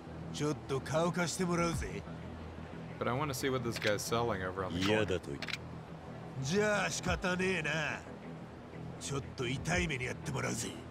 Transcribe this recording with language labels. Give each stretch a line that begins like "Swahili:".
Japanese: ちょっと顔貸してもらうぜ。
English: But I want to see what this guy's selling over on the corner.
Japanese: 嫌だと言う。じゃあ仕方ねえな。ちょっと痛い目にやってもらうぜ。